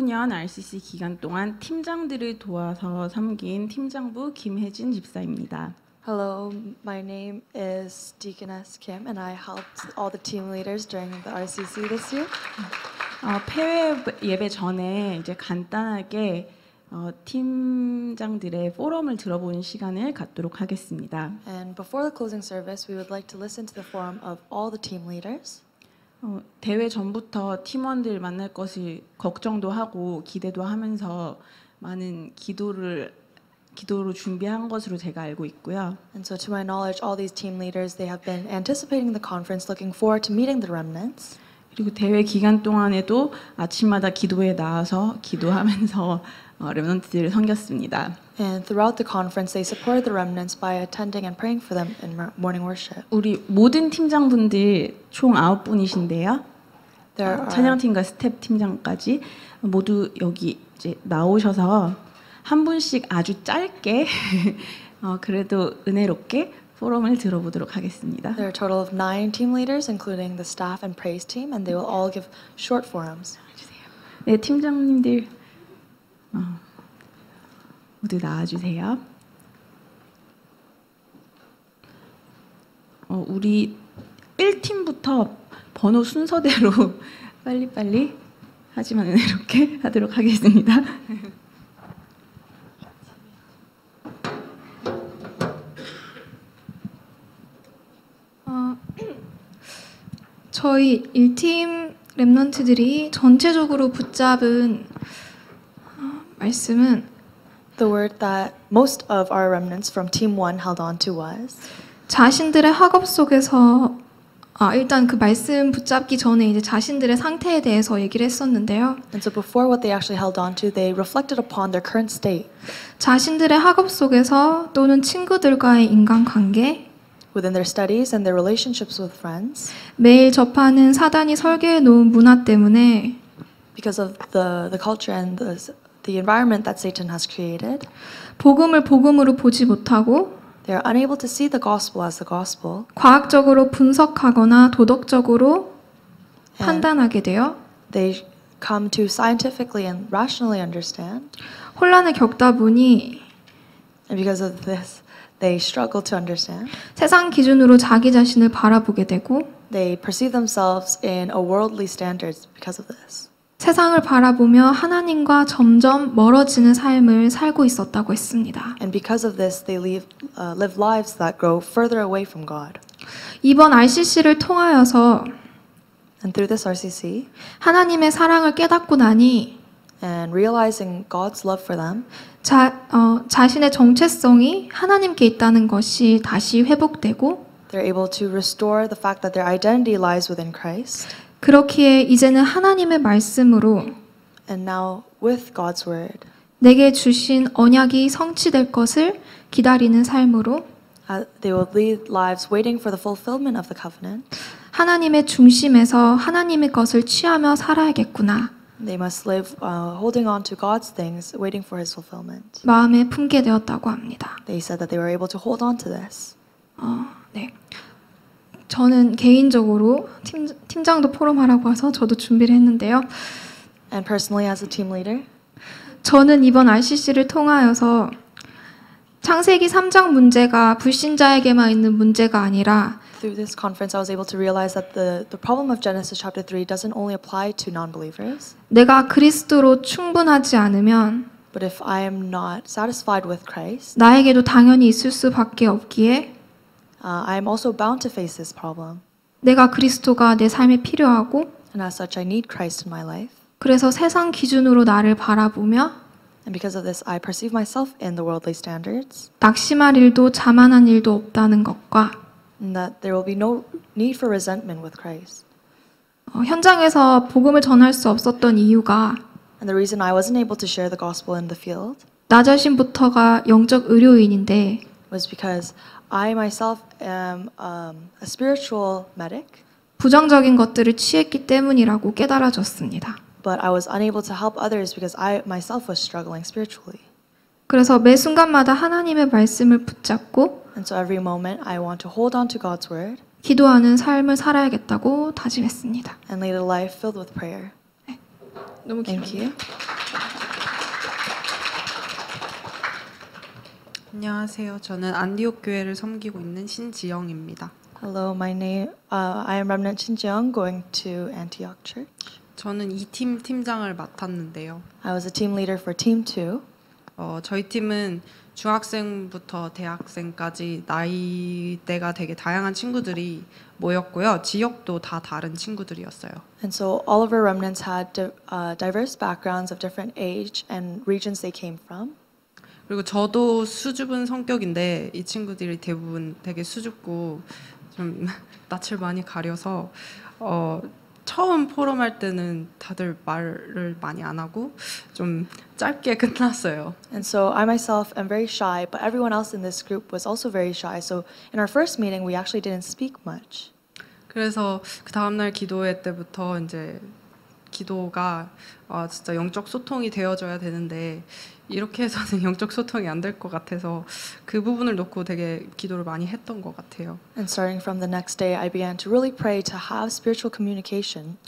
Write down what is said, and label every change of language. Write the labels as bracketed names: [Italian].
[Korean] RCC 기간 동안 팀장들을 도와서 섬긴 팀장부 김혜진 집사입니다. [English] Hello, my name is Deaconess Kim, and I helped all the team leaders during the RCC this year. [Korean] 폐회 예배 전에 이제 간단하게 팀장들의 포럼을 들어보는 시간을 갖도록 하겠습니다. [English] And before the closing service, we would like to listen to the forum of all the team leaders. [Korean] 대회 전부터 팀원들 만날 것을 걱정도 하고 기대도 하면서 많은 기도로 준비한 것으로 제가 알고 있고요. [English] And so to my knowledge, all these team leaders, they have been anticipating the conference, looking forward to meeting the remnants. [Korean] 그리고 대회 기간 동안에도 아침마다 기도에 나와서 기도하면서 remnants를 섬겼습니다. [English] And throughout the conference, they support the remnants by attending and praying for them in morning worship. [Korean] 우리 모든 팀장분들 총 아홉 분이신데요. 찬양팀과 스텝 팀장까지 모두 여기 이제 나오셔서 한 분씩 아주 짧게 그래도 은혜롭게 포럼을 들어보도록 하겠습니다. [English] There are a total of 9 team leaders, including the staff and praise team, and they will all give short forums. [Korean] 네, 팀장님들. 모두 나와주세요. 우리 1팀부터 번호 순서대로 빨리빨리 하지만 은혜롭게 하도록 하겠습니다. 저희 1팀 렘넌트들이 전체적으로 붙잡은 말씀은 [English] The word that most of our remnants from Team 1 held on to was [Korean] 자신들의 학업 속에서 일단 그 말씀 붙잡기 전에 이제 자신들의 상태에 대해서 얘기를 했었는데요. [English] And so before what they actually held on to, they reflected upon their current state. [Korean] 자신들의 학업 속에서 또는 친구들과의 인간 관계 [English] within their studies and their relationships with friends [Korean] 매일 접하는 사단이 설계해 놓은 문화 때문에 [English] because of the culture and the environment that Satan has created. [Korean] 복음을 복음으로 보지 못하고 [English] they are unable to see the gospel as the gospel. [Korean] 과학적으로 분석하거나 도덕적으로 판단하게 되어 [English] they come to scientifically and rationally understand. [Korean] 혼란을 겪다 보니 [English] and because of this they struggle to understand. [Korean] 세상 기준으로 자기 자신을 바라보게 되고 [English] they perceive themselves in a worldly standards because of this. [Korean] 세상을 바라보며 하나님과 점점 멀어지는 삶을 살고 있었다고 했습니다. [English] And because of this, they live lives that grow further away from God. [Korean] 이번 RCC를 통하여서 [English] And through this RCC, [Korean] 하나님의 사랑을 깨닫고 나니 [English] And realizing God's love for them, [Korean] 자신의 정체성이 하나님께 있다는 것이 다시 회복되고 [English] they're able to restore the fact that their identity lies within Christ. [Korean] 그렇기에 이제는 하나님의 말씀으로 [English] And now with God's word, [Korean] 내게 주신 언약이 성취될 것을 기다리는 삶으로 [English] they will lead lives waiting for the fulfillment of the covenant. [Korean] 하나님의 중심에서 하나님의 것을 취하며 살아야겠구나. [English] They must live holding on to God's things, waiting for His fulfillment. [Korean] 마음에 품게 되었다고 합니다. [English] They said that they were able to hold on to this. [Korean] 네. 저는 개인적으로 팀장도 포럼하라고 해서 저도 준비를 했는데요. [English] And personally as a team leader, [Korean] 저는 이번 RCC를 통하여서 창세기 3장 문제가 불신자에게만 있는 문제가 아니라 [English] through this conference, I was able to realize that the problem of Genesis chapter 3 doesn't only apply to non-believers. [Korean] 내가 그리스도로 충분하지 않으면, [English] but if I am not satisfied with Christ, [Korean] 나에게도 당연히 있을 수밖에 없기에, [English] I am also bound to face this problem. [Korean] 내가 그리스도가 내 삶에 필요하고, [English] and as such, I need Christ in my life. [Korean] 그래서 세상 기준으로 나를 바라보며, [English] and because of this, I perceive myself in the worldly standards. [Korean] 낙심할 일도 자만한 일도 없다는 것과, [English] and that there will be no need for resentment with Christ. [Korean] 현장에서 복음을 전할 수 없었던 이유가, [English] and the reason I wasn't able to share the gospel in the field, [Korean] 나 자신부터가 영적 의료인인데, [English] was because I myself am a spiritual medic. [Korean] 부정적인 것들을 취했기 때문이라고 깨달아졌습니다. [English] But I was unable to help others because I myself was struggling spiritually. [Korean] 그래서 매 순간마다 하나님의 말씀을 붙잡고, [English] and so every moment I want to hold on to God's word. [Korean] 기도하는 삶을 살아야겠다고 다짐했습니다. [English] And lead a life filled with prayer. [Korean] 네. 너무 [English] Thank you. [Korean] 안녕하세요. 저는 안디옥 교회를 섬기고 있는 신지영입니다. [English] Hello, my name. I am Remnant Shinjeong, going to Antioch Church. [Korean] 저는 이 팀 팀장을 맡았는데요. [English] I was a team leader for Team 2. [Korean] 저희 팀은 중학생부터 대학생까지 나이대가 되게 다양한 친구들이 모였고요. 지역도 다 다른 친구들이었어요. [English] And so all of our remnants had diverse backgrounds of different age and regions they came from. [Korean] 그리고 저도 수줍은 성격인데 이 친구들이 대부분 되게 수줍고 좀 낯을 많이 가려서 처음 포럼할 때는 다들 말을 많이 안 하고 좀 짧게 끝났어요. [English] And so I myself am very shy, but everyone else in this group was also very shy. So in our first meeting, we actually didn't speak much. [Korean] 그래서 그 다음 날 기도회 때부터 이제 기도가 진짜 영적 소통이 되어줘야 되는데 이렇게 해서는 영적 소통이 안 될 것 같아서 그 부분을 놓고 되게 기도를 많이 했던 것 같아요. [English] And starting from the next day, I began to really pray to have spiritual communication.